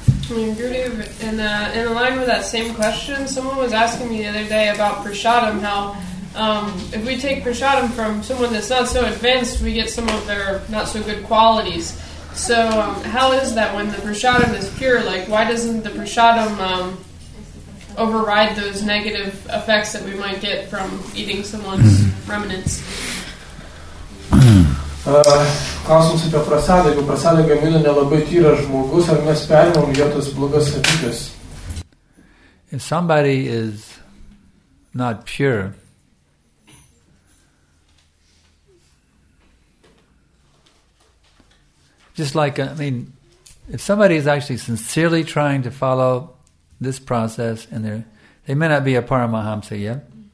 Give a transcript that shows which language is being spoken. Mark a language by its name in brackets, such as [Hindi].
[English] In line with that same question, someone was asking me the other day about prasadam, how if we take prasadam from someone that's not so advanced, we get some of their not so good qualities. So how is that when the prasadam is pure? Like, why doesn't the prasadam override those negative effects that we might get from eating someone's remnants? [Lithuanian] Klausimas apie prasadą. Jeigu prasadą gamina nelabai tyras žmogus, ar mes perimam jo tas blogas savybės? [English] If somebody is not pure, just like, I mean, if somebody is actually sincerely trying to follow this process, and they may not be a Paramahamsa yet,